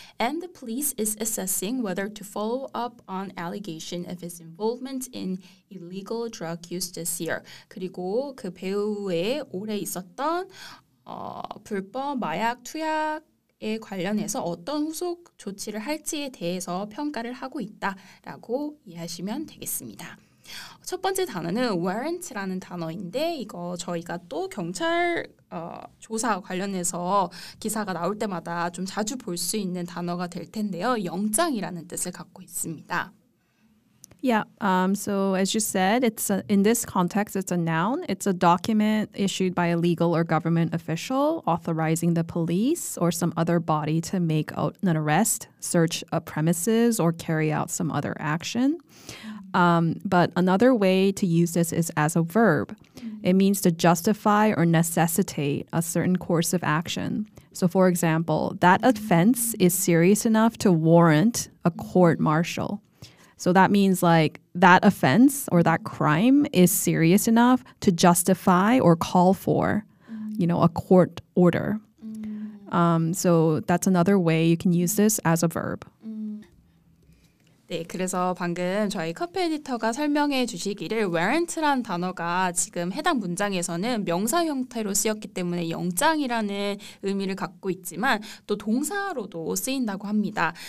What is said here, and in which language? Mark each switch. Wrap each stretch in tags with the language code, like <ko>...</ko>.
<en>And the police is assessing whether to follow up on allegation of his involvement in illegal drug use this year.</en> <ko>그리고 그 배우의 올해 있었던 불법 마약 투약에 관련해서 어떤 후속 조치를 할지에 대해서 평가를 하고 있다라고 이해하시면 되겠습니다. 첫 번째 단어는 warrant라는 단어인데 이거 저희가 또 경찰 조사 관련해서 기사가 나올 때마다 좀 자주 볼 수 있는 단어가 될 텐데요. 영장이라는 뜻을 갖고 있습니다.</ko> <en>Yeah, so as you said, it's a, in this context, it's a noun. It's a document issued by a legal or government official authorizing the police or some other body to make an arrest, search a premises, or carry out some other action. But another way to use this is as a verb. It means to justify or necessitate a certain course of action. So, for example, that offense is serious enough to warrant a court-martial. So that means like that offense or that crime is serious enough to justify or call for, you know, a court order. So that's another way you can use this as a verb.</en> <ko>네, 그래서 방금 저희 커피 에디터가 설명해 주시기를 warrant라는 단어가 지금 해당 문장에서는 명사 형태로 쓰였기 때문에 영장이라는 의미를 갖고 있지만 또 동사로도 쓰인다고 합니다.</ko>